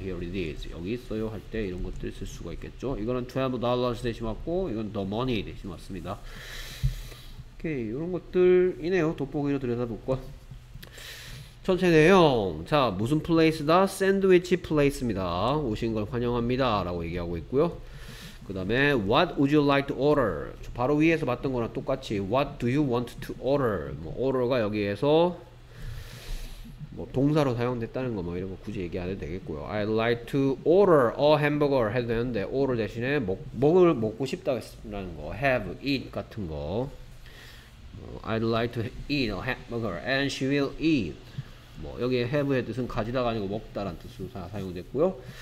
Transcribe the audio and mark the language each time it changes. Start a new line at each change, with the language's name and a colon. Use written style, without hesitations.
English: Here it is,
Korean: 여기 있어요 할 때 이런 것들 쓸 수가 있겠죠. 이거는 $12 대신 왔고 이건
English: the money
Korean: 대신 왔습니다. 오케이, 이런 것들이네요. 돋보기로 들여다볼 것. 전체 내용, 자 무슨 플레이스다? 샌드위치 플레이스입니다. 오신 걸 환영합니다 라고 얘기하고 있고요. 그 다음에
English: What would you like to order?
Korean: 바로 위에서 봤던 거랑 똑같이
English: What do you want to order?
Korean: 뭐 order가 여기에서 뭐 동사로 사용됐다는 거 뭐 이런 거 굳이 얘기 안 해도 되겠고요.
English: I'd like to order a hamburger
Korean: 해도 되는데 order 대신에 먹고 싶다라는 거 have, eat 같은 거
English: I'd like to eat a hamburger and she will eat
Korean: 뭐 여기에 have의 뜻은 가지다가 아니고 먹다라는 뜻으로 사용됐고요.